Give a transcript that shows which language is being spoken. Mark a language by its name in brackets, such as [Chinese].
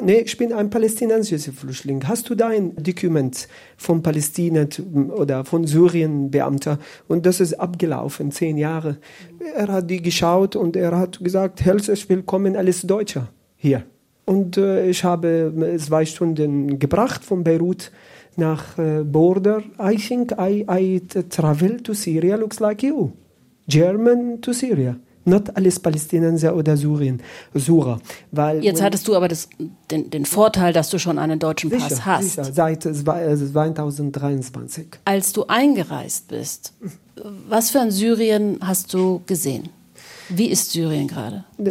[German] Nee, ich bin ein palästinensischer Flüchtling. Hast du dein Dokument von Palästina oder von Syrien-Beamter? Und das ist abgelaufen, 10 Jahre. Er hat die geschaut und er hat gesagt, herzlich willkommen, alles Deutscher hier. Und ich habe 2 Stunden gebracht von Beirut nach Border. [English] I think I travel to Syria looks like you. German to Syria. Not [German] alles Palästinenser oder Syrien. Syrer. Weil jetzt hattest du aber den Vorteil, dass du schon einen deutschen Pass hast. Sicher, seit 2023. Als du eingereist bist, was für ein Syrien hast du gesehen? Wie ist Syrien gerade?